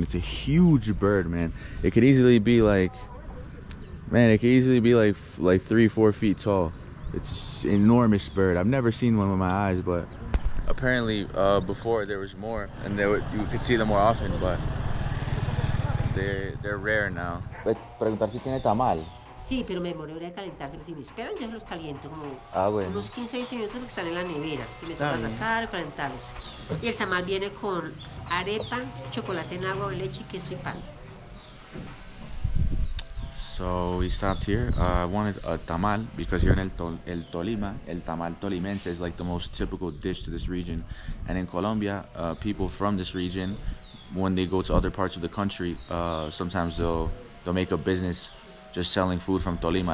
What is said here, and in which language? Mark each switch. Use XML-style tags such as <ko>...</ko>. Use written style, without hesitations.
<en>It's a huge bird, man. It could easily be like, man, it could easily be like 3-4 feet tall. It's an enormous bird. I've never seen one with my eyes, but apparently before there was more, and you could see them more often, but they're rare now.</en> <es>Preguntar si tiene tamal. Sí, pero me demoré a calentárselos. Si me esperan, yo se los caliento como bueno. Unos 15, 20 minutos que están en la nevera. Que me toca sacar, calentarlos. Y el tamal viene con arepa, chocolate en agua o leche, queso y pan.</es> <en>So we stopped here. I wanted a tamal because here in el Tolima, el tamal tolimense is like the most typical dish to this region. And in Colombia, people from this region, when they go to other parts of the country, sometimes they'll make a business just selling food from Tolima.</en>